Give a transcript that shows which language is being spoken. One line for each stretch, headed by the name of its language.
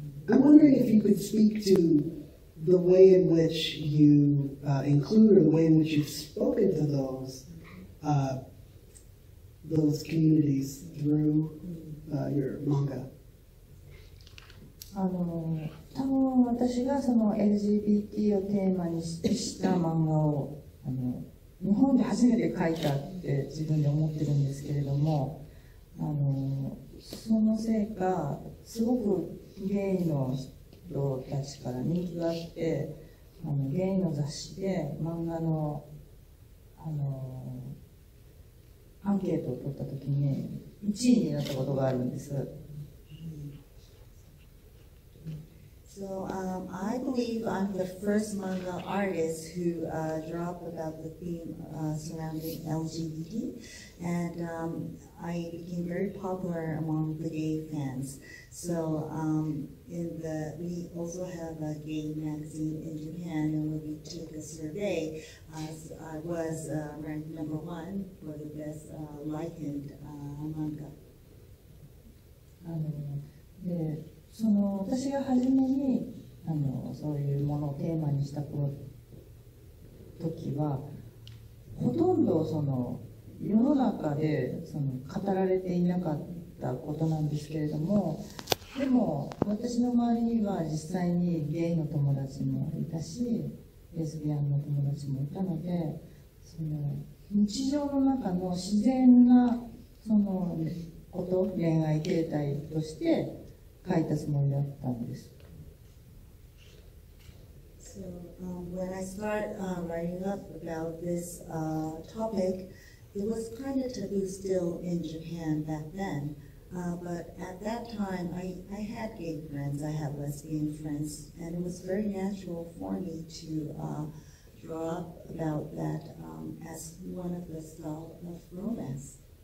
English: I'm wondering if you could speak to the way in which you include, or the way in which you've spoken to those communities through your manga.
Japanese: 多分私がそのLGBTをテーマにした漫画を日本で初めて描いたって自分で思ってるんですけれども、そのせいかすごくゲイの人たちから人気があって、ゲイの雑誌で漫画のアンケートを取った時に1位になったことがあるんです。
English: So I believe I'm the first manga artist who dropped about the theme surrounding LGBT, and I became very popular among the gay fans. So in the we also have a gay magazine in Japan, and when we took a survey, I was ranked number one for the best likened manga.
Japanese: その私が初めにそういうものをテーマにした時はほとんどその世の中でその語られていなかったことなんですけれども、でも私の周りには実際にゲイの友達もいたしレズビアンの友達もいたので、その日常の中の自然なそのこと恋愛形態として書いたつもりだったんです。
English: So, when I started writing up about this topic, it was kind of taboo still in Japan back then. But at that time, I had gay friends, I had lesbian friends, and it was very natural for me to draw up about that as one of the style of romance.